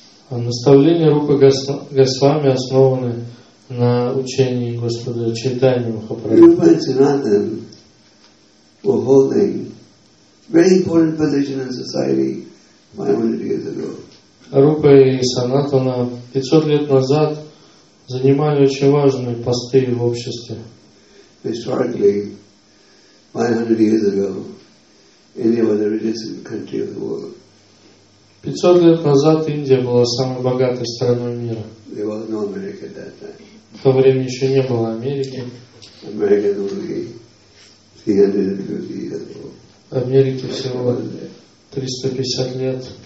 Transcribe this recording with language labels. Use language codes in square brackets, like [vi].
[ru] Наставления Рупы Госвами основаны на учении Господа Чайтаньи Махапрабху. [en] Rupa and Sanatan were holding very important position in society 500 years ago. [ru] Рупа и Санатана 500 лет назад занимали очень важные посты в обществе. [en] Historically, 500 years ago, India was the richest country of the world. [ru] 500 лет назад Индия была самой богатой страной мира. [en] There was no America at that time. [ru] В то время еще не было Америки. [en] America was only 350 years old. [ru] Америке всего 350 лет.